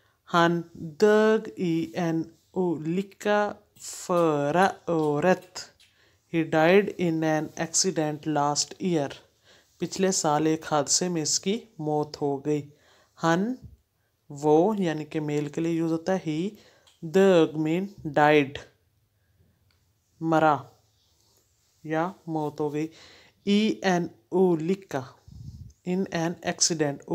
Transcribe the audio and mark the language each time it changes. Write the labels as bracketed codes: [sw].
[sv] Han dög i en olycka förra året. [en] He died in an accident last year. [hi] पिछले साल एक हादसे में इसकी मौत हो गई. Han, वो, यानी के मेल के लिए यूज होता है. [en] He dög mean died, [hi] मरा या मौत हो गई. [sv] I en olycka, [en] in an accident.